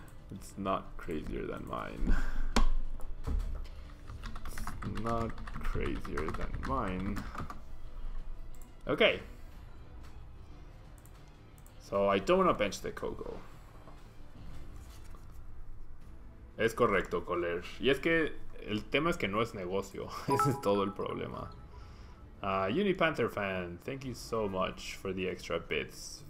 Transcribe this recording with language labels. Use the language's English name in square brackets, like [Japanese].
[English] It's not crazier than mine. It's not crazier than mine. Okay. So I don't want to bench the Koko. [Spanish] Es correcto, Coler. Y es que el tema es que no es negocio. Ese es todo el problema. [English] Unipanther fan, thank you so much for the extra bits.